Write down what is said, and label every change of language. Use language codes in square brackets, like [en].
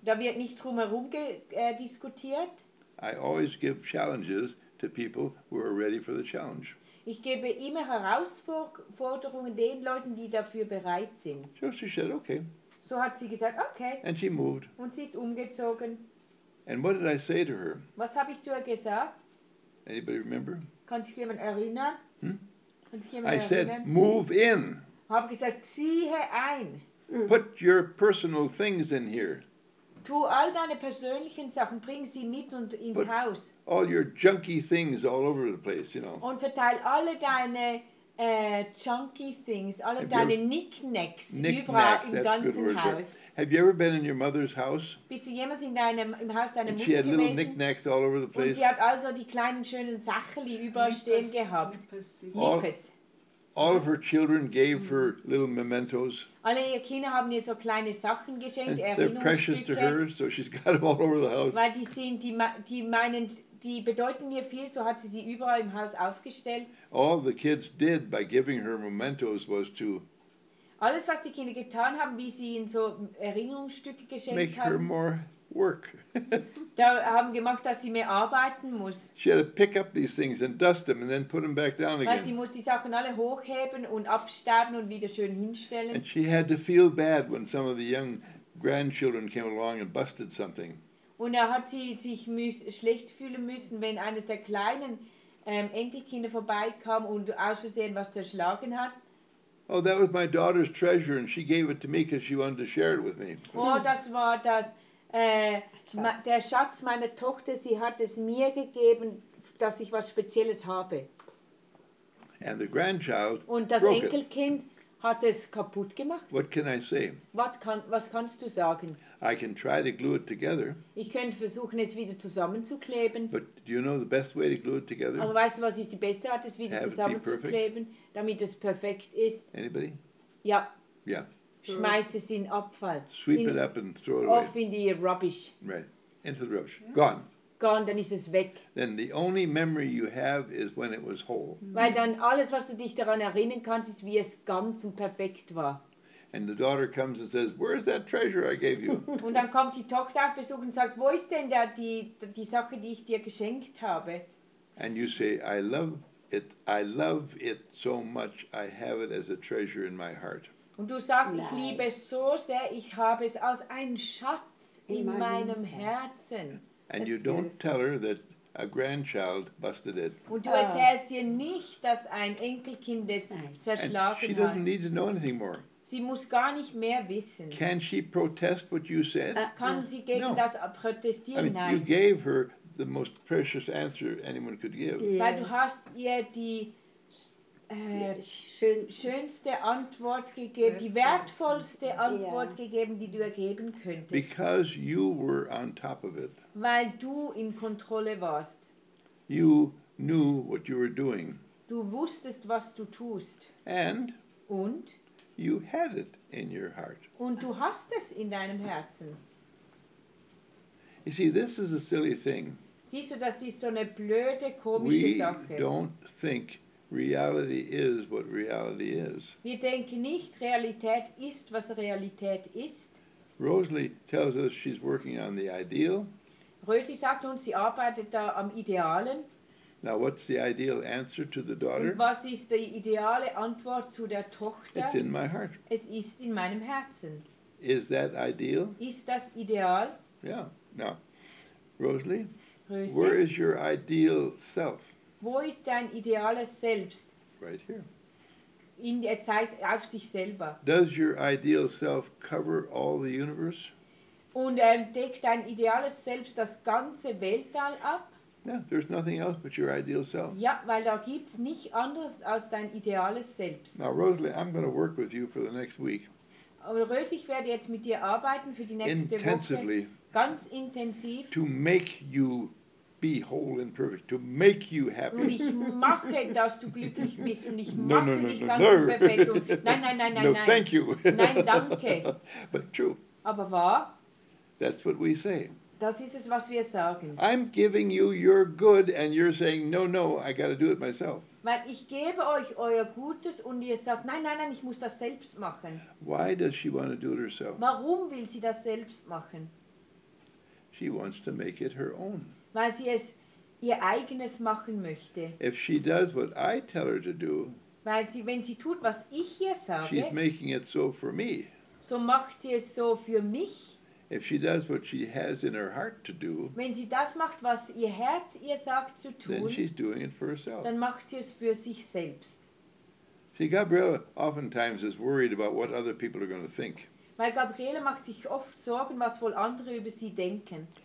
[de] Da wird nicht drumherum diskutiert. [en] I always give challenges to people who are ready for the challenge. [de] Ich gebe immer Herausforderungen den Leuten, die dafür bereit sind. [en] So she said, okay. [de] So hat sie gesagt, okay. [en] And she moved. [de] Und sie ist umgezogen. [en] And what did I say to her? [de] Was habe ich zu ihr gesagt? [en] Anybody remember? [de] Kann sich jemand erinnern? [en] I said, move in. [de] Habe gesagt, ziehe ein. [en] Put your personal things in here. [de] Tu all deine persönlichen Sachen, bring sie mit und ins [en] Put [de] Haus. [en] All your junky things all over the place, you know. [de] Und verteil alle deine [en] junky things, [de] alle [en] have [de] deine Knickknacks [en] knick-knacks [de] überall im ganzen [en] word, [de] Haus. [en] Have you ever been in your mother's house? [de] Bist du jemals in deinem im Haus deiner [en] and [de] Mutter gewesen? [en] She had little knickknacks all over the place. [de] Und sie hat also die kleinen schönen Sacheli überall stehen gehabt. [en] Knickers. All of her children gave her little mementos. [de] Alle ihre Kinder haben ihr so kleine Sachen geschenkt, Erinnerungsstücke. [en] They're precious to her, so she's got them all over the house. [de] Weil die sehen, die bedeuten ihr viel, so hat sie sie überall im Haus aufgestellt. [en] All the kids did by giving her mementos was to. [de] Alles was die Kinder getan haben, wie sie ihnen so Erinnerungsstücke geschenkt [en] make [de] haben. [en] Make her more work. [de] Da haben gemacht, dass sie mehr arbeiten muss. [en] She had to pick up these things and dust them and then put them back down again. [de] Weil sie muss die Sachen alle hochheben und abstauben und wieder schön hinstellen. [en] And she had to feel bad when some of the young grandchildren came along and busted something. [de] Und da hat sie sich schlecht fühlen müssen, wenn eines der kleinen Enkelkinder vorbeikam und aus Versehen was zerschlagen hat. [en] Oh, that was my daughter's treasure and she gave it to me because she wanted to share it with me. [de] Oh, das war das der Schatz meiner Tochter, sie hat es mir gegeben, dass ich was Spezielles habe. [en] And the grandchild [de] und das [en] broke [de] Enkelkind [en] it. [de] Hat es kaputt gemacht. [en] What can I say? [de] Was kannst du sagen? [en] I can try to glue it together. [de] Ich könnte versuchen, es wieder zusammenzukleben. [en] But do you know the best way to glue it together? [de] Aber weißt du, was ist die beste Art, es wieder zusammenzukleben, damit es perfekt ist? [en] Anybody? [de] Ja. Ja. Schmeiß es in Abfall. [en] Sweep it up and throw it away. Off in the rubbish. Right. Into the rubbish. Yeah. Gone. Gone, [de] dann ist es weg. [en] Then the only memory you have is when it was whole. Mm-hmm. [de] Weil dann alles, was du dich daran erinnern kannst, ist, wie es ganz und perfekt war. [en] And the daughter comes and says, where's that treasure I gave you? [de] Und dann kommt die Tochter auf Besuch und sagt, wo ist denn da die Sache, die ich dir geschenkt habe? [en] And you say, I love it so much, I have it as a treasure in my heart. [de] Und du sagst, ich liebe es so sehr, ich habe es als einen Schatz in meinem Herzen. [en] And you don't tell her that a grandchild busted it. [de] Und du erzählst ihr nicht, dass ein Enkelkind es zerschlagen hat. [en] She doesn't need to know anything more. [de] Sie muss gar nicht mehr wissen. [en] Can she protest what you said? [de] Kann sie gegen das protestieren? Nein. [en] I mean, you gave her the most precious answer anyone could give. Yeah. [de] Weil du hast ihr die schönste Antwort gegeben, die wertvollste Antwort gegeben, die du ergeben könntest. [en] Because you were on top of it. [de] Weil du in Kontrolle warst. [en] You knew what you were doing. [de] Du wusstest, was du tust. [en] And? [de] Und? [en] You had it in your heart. [de] Und du hast es in deinem Herzen. [en] You see, this is a silly thing. [de] Siehst du, das ist so eine blöde, komische [en] We [de] Sache. [en] We don't think reality is what reality is. [de] Wir denken nicht, Realität ist, was Realität ist. [en] Rosalie tells us she's working on the ideal. [de] Rosalie sagt uns, sie arbeitet da am Idealen. [en] Now, what's the ideal answer to the daughter? [de] Und was ist die ideale Antwort zu der Tochter? [en] It's in my heart. [de] Es ist in meinem Herzen. [en] Is that ideal? [de] Ist das Ideal? [en] Yeah. Now, Rosalie, [de] Rosalie, [en] where is your ideal self? [de] Wo ist dein ideales Selbst? [en] Right here. [de] In der Zeit auf sich selber. [en] Does your ideal self cover all the universe? [de] Und deckt dein ideales Selbst das ganze Weltall ab? [en] Yeah, there's nothing else but your ideal self. [de] Ja, weil da gibt's nicht anderes als dein ideales Selbst. [en] Now, Rosalie, I'm going to work with you for the next week. [de] Rosalie, ich werde jetzt mit dir arbeiten für die nächste Woche. [en] Intensively. [de] Ganz intensiv. [en] To make you be whole and perfect, to make you happy. [de] Und ich mache, dass du glücklich bist und ich mache [en] no, [de] dich ganz perfekt. Nein. [en] Thank you. [de] Nein, danke. [en] But true. [de] Aber wahr? [en] That's what we say. [de] Das ist es, was wir sagen. [en] I'm giving you your good and you're saying, no, I got to do it myself. [de] Weil ich gebe euch euer Gutes und ihr sagt, nein, ich muss das selbst machen. [en] Why does she want to do it herself? [de] Warum will sie das selbst machen? [en] She wants to make it her own. [de] Weil sie es ihr eigenes machen möchte. [en] If she does what I tell her to do, [de] weil sie, wenn sie tut, was ich ihr sage, [en] she's making it so for me. [de] So macht sie es so für mich. [en] If she does what she has in her heart to do, [de] wenn sie das macht, was ihr Herz ihr sagt zu tun, [en] then she's doing it for herself. [de] Dann macht sie es für sich selbst. [en] See, Gabriela oftentimes is worried about what other people are going to think. [de] Weil Gabriela macht sich oft Sorgen, was wohl andere über sie denken.